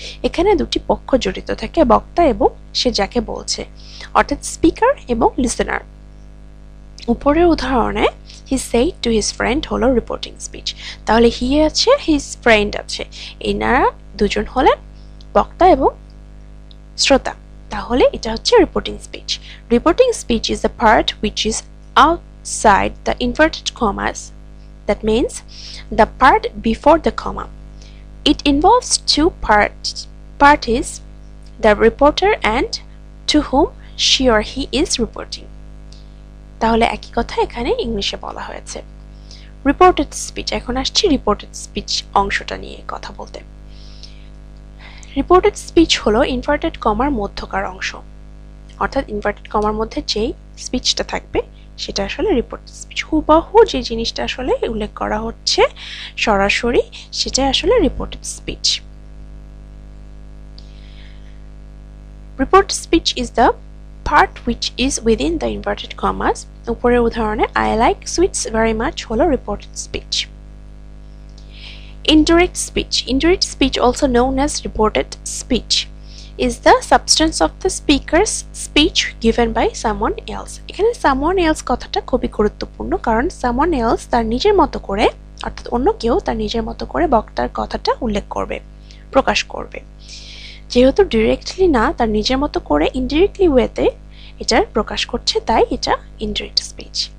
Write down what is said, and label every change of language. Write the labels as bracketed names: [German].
[Bangla] এখানে দুটি পক্ষ জড়িত থাকে, বক্তা এবং সে যাকে বলছে, অর্থাৎ স্পিকার এবং লিসেনার। উপরের উদাহরণে [English] he said to his friend [Bangla] হলো রিপোর্টিং স্পিচ, তাহলে হি আছে, হিজ ফ্রেন্ড আছে, এনারা দুজন হলেন বক্তা এবং শ্রোতা, তাহলে এটা হচ্ছে reporting speech. [English] Reporting speech is the part which is out side the inverted commas, that means the part before the comma. It involves two parties, the reporter and to whom she or he is reporting. [Bangla] তাহলে একই কথা এখানে ইংলিশে বলা হয়েছে। Reported speech, এখন আসছি reported speech অংশটা নিয়ে কথা বলতে। রিপোর্টেড স্পিচ হলো ইনভার্টেড কমার মধ্যকার অংশ, অর্থাৎ ইনভার্টেড কমার মধ্যে যেই স্পিচটা থাকবে সেটা আসলে রিপোর্ট স্পিচ। হুবহু যে জিনিসটা আসলে উল্লেখ করা হচ্ছে সরাসরি সেটাই আসলে report speech. [English] Report speech is the part which is within the inverted commas. [Bangla] উপরের উদাহরণে [English] I like sweets very much [Bangla] হলো report speech. [English] Indirect speech, indirect speech also known as reported speech is the substance of the speaker's speech given by someone else. [Bangla] এখানে someone else কথাটা খুবই গুরুত্বপূর্ণ, কারণ someone else তার নিজের মতো করে, অর্থাৎ অন্য কেউ তার নিজের মতো করে বক্তার কথাটা উল্লেখ করবে, প্রকাশ করবে। যেহেতু ডিরেক্টলি না, তার নিজের মতো করে ইনডিরেক্টলি ওয়েতে এটা প্রকাশ করছে, তাই এটা ইনডিরেক্ট স্পিচ।